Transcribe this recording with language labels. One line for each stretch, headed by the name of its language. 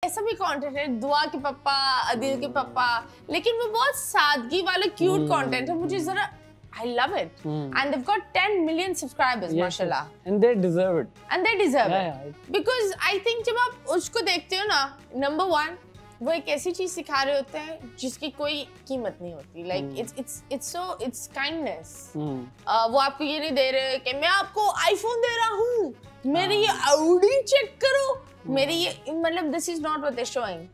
Hindi: ऐसा भी कंटेंट है दुआ के पापा अदील के पापा, लेकिन वो बहुत सादगी वाला क्यूट कंटेंट है, मुझे जरा
English: I love it. And they've got 10 million subscribers, yes, mashallah. And they deserve it. And they deserve it. Because I think
Hindi: जब आप उसको देखते हो ना, number one, वो एक ऐसी चीज सिखा रहे होते हैं जिसकी कोई कीमत नहीं होती.
English: Like it's kindness.
Hindi: वो आपको ये नहीं दे रहे कि मैं आपको iPhone दे रहा हूँ, मेरी ये Audi check करो, मेरी ये मतलब
English: this is not what they're showing.